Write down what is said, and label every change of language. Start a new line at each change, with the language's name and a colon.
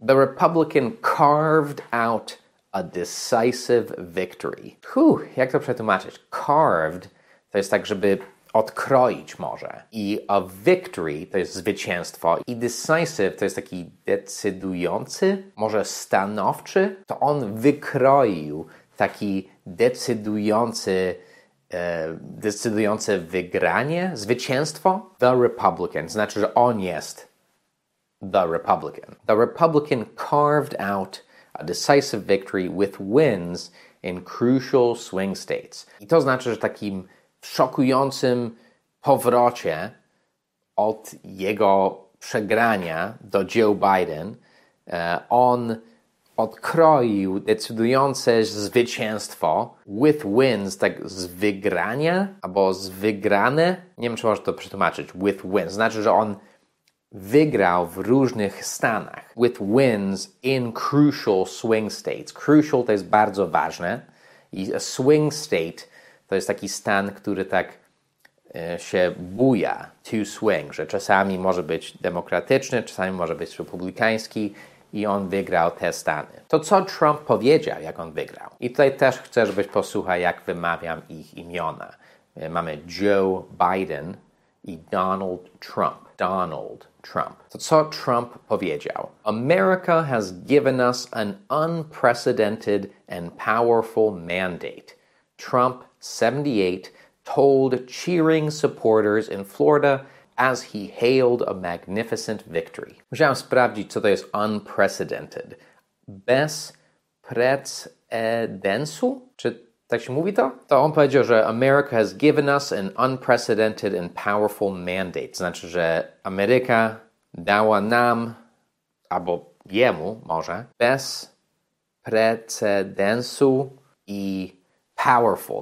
English: The Republican carved out a decisive victory.
Polish: Whew, jak to przetłumaczyć? Carved to jest tak, żeby odkroić może. I a victory to jest zwycięstwo. I decisive to jest taki decydujący, może stanowczy. To on wykroił taki decydujący decydujące wygranie, zwycięstwo?
English: The Republican.
Polish: Znaczy, że on jest
English: the Republican. The Republican carved out a decisive victory with wins in crucial swing states.
Polish: I to znaczy, że takim szokującym powrocie od jego przegrania do Joe Biden, on odkroił decydujące zwycięstwo
English: with wins,
Polish: tak z wygrania albo z wygrane. Nie wiem, czy można to przetłumaczyć.
English: With wins.
Polish: Znaczy, że on wygrał w różnych stanach.
English: With wins in crucial swing states.
Polish: Crucial to jest bardzo ważne. I a swing state to jest taki stan, który tak się buja. To swing, że czasami może być demokratyczny, czasami może być republikański. I on wygrał te stany. To co Trump powiedział, jak on wygrał? I tutaj też chcę, żebyś posłuchał, jak wymawiam ich imiona. Mamy Joe Biden i Donald Trump. Donald Trump. To co Trump powiedział?
English: America has given us an unprecedented and powerful mandate. Trump, 78, told cheering supporters in Florida as he hailed a magnificent victory.
Polish: Musiałem sprawdzić, co to jest unprecedented. Bez precedensu? Czy Tak się mówi to? To on powiedział, że
English: America has given us an unprecedented and powerful mandate.
Polish: Znaczy, że Ameryka dała nam, albo jemu może, bez precedensu i powerful.